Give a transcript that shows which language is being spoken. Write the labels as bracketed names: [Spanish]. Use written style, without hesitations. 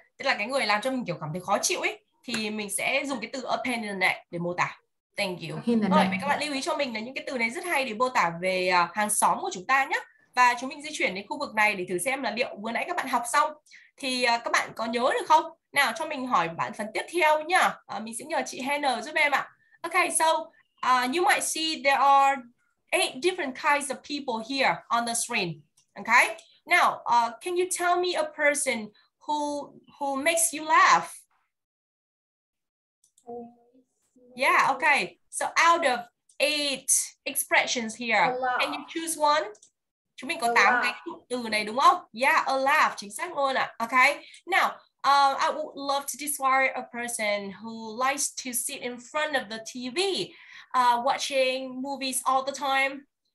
[Vietnamese] Tức là cái người làm cho mình kiểu cảm thấy khó chịu ấy, thì mình sẽ dùng cái từ a pain in the neck để mô tả. [English] Thank you. [Vietnamese] Rồi, vậy các bạn lưu ý cho mình là những cái từ này rất hay để mô tả về hàng xóm của chúng ta nhé. Và chúng mình di chuyển đến khu vực này để thử xem là liệu vừa nãy các bạn học xong thì các bạn có nhớ được không? Nào, cho mình hỏi bạn phần tiếp theo nhá. Mình sẽ nhờ chị Hannah giúp em ạ. [English] Okay, so you might see there are 8 different kinds of people here on the screen. Okay? Now, can you tell me a person who makes you laugh? Yeah, okay. So out of 8 expressions here, can you choose one? [Vietnamese] Chúng mình có 8 cái từ này đúng không? [English] Yeah, a laugh, [Vietnamese] chính xác luôn ạ. Okay? [English] Now, I would love to describe a person who likes to sit in front of the TV, watching movies all the time.